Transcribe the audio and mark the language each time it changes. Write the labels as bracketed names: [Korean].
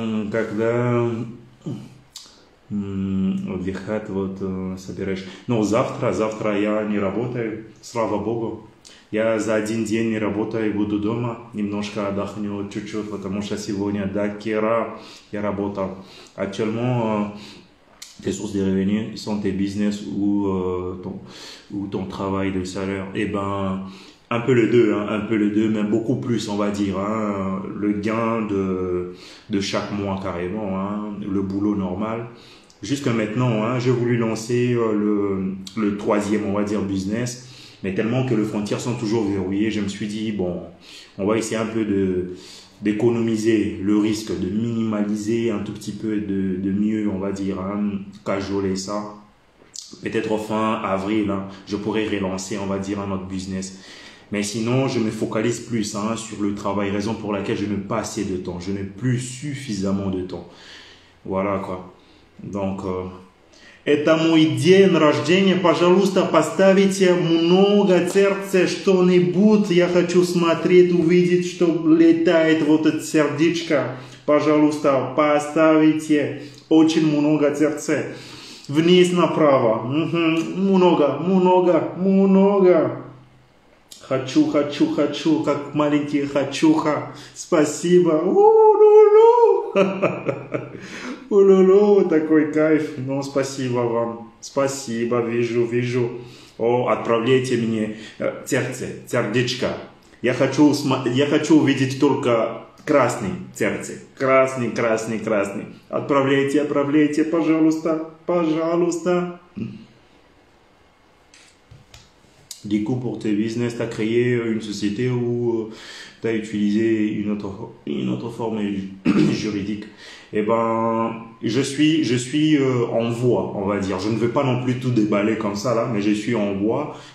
[Russian] Когда выход вот собираешь. Ну, завтра я не работаю, слава богу. Я за один день не работаю, буду дома, немножко отдохну чуть-чуть, потому что сегодня до кера я работал. [French] Actuellement, tes sources de revenus sont tes business ou ton travail de salaire. Eh ben, un peu les deux, hein, un peu les deux, mais beaucoup plus, on va dire, hein, le gain de chaque mois carrément, hein, le boulot normal. Jusque maintenant, hein, j'ai voulu lancer le troisième, on va dire, business, mais tellement que les frontières sont toujours verrouillées, je me suis dit, bon, on va essayer un peu d'économiser le risque, de minimaliser un tout petit peu, de mieux, on va dire, hein, cajoler ça. Peut-être fin avril, hein, je pourrais relancer, on va dire, un autre business. Mais sinon, je me focalise plus, hein, sur le travail, raison pour laquelle je n'ai pas assez de temps. Je n'ai plus suffisamment de temps. Voilà, quoi. [Russian] Donc, это мой день рождения. Пожалуйста, поставите много сердца, что-нибудь. Я хочу смотреть, увидеть, что летает вот это сердечко. Пожалуйста, поставите очень много сердца. Вниз направо. Много. Хочу, как маленький хочуха. Спасибо. У-лу-лу. У-лу-лу, такой кайф. Ну, спасибо вам. Спасибо, вижу. О, отправляйте мне сердечко. Я хочу увидеть только красный сердце. Красный. Отправляйте, пожалуйста. [French] Du coup, pour tes business, tu as créé une société où tu as utilisé une autre forme juridique. Eh ben, je suis en voie, on va dire. Je ne veux pas non plus tout déballer comme ça, là, mais je suis en voie.